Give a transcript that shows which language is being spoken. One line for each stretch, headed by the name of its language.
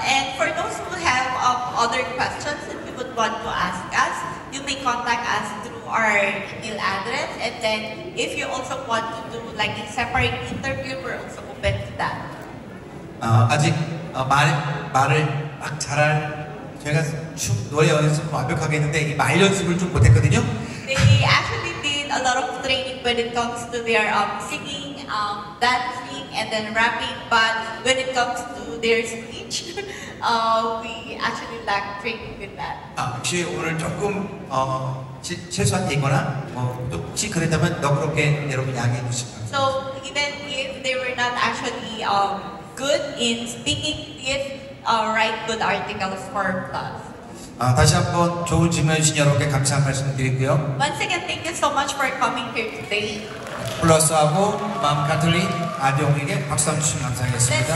English: And for those who have other questions that you would want to ask us, you may contact us through our email address. And then if you also want to do like a separate interview, we're also open to that.
Korean: 아직 말을 막 잘할 제가 춤 노래 연습 완벽하게 했는데 이 말 연습을 좀 못했거든요.
English: They actually did a lot of training when it comes to their singing, dance, and then rapping, but when it comes to their speech, we actually lack training with that.
Korean: 혹시 오늘 조금 최소한 되거나 혹시 그랬다면 너그럽게 여러분 양해해 주시면.
English: So even if they were not actually good in speaking, please write good articles for PLUUS.
Korean: 다시 한번 좋은 질문 주신 여러분께 감사한 말씀 드리고요.
English: Once again, thank you so much for coming here today.
Korean: 플러스하고 마음 가틀리 아디옹에게 박수 한번 주시면 감사하겠습니다.